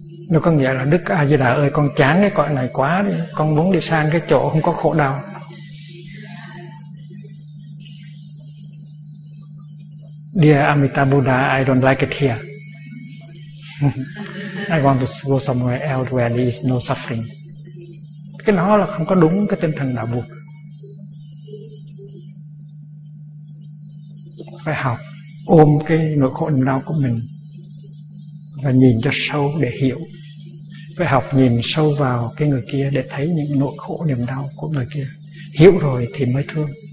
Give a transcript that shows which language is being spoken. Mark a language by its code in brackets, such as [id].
[vi] Nó có nghĩa là Đức A Di Đà ơi, con chán cái cõi này quá đi, con muốn đi sang cái chỗ không có khổ đau. [en] Dear Amitabha Buddha, I don't like it here. I want to go somewhere else where there is no suffering. [vi] Cái đó là không có đúng cái tinh thần đạo Phật. Phải học ôm cái nỗi khổ niềm đau của mình và nhìn cho sâu để hiểu. Phải học nhìn sâu vào cái người kia để thấy những nỗi khổ niềm đau của người kia. Hiểu rồi thì mới thương.